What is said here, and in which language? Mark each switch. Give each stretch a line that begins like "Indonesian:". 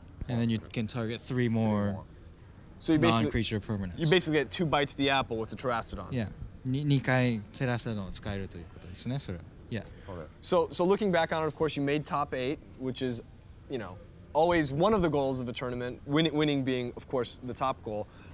English: And then you can target three more non-creature permanents. You basically get two bites of the apple with the Terastodon. Yeah.
Japanese: 2回 Terastodon を使えるということですね、それは。
English: Yeah. So looking back on it, of course, you made top eight, which is, always one of the goals of a tournament, winning being, of course, the top goal.